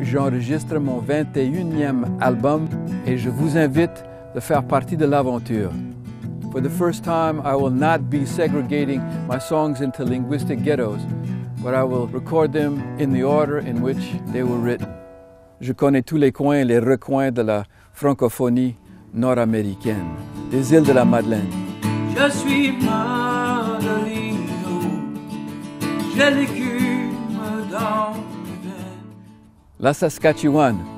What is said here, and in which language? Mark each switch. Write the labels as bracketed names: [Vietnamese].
[French] J'enregistre mon 21e album et je vous invite de faire partie de l'aventure. [English] For the first time, I will not be segregating my songs into linguistic ghettos, but I will record them in the order in which they were written. [French] Je connais tous les coins et les recoins de la francophonie nord-américaine, des îles de la Madeleine. Je suis Madelino, j'ai l'écume dans mes veines. La Saskatchewan.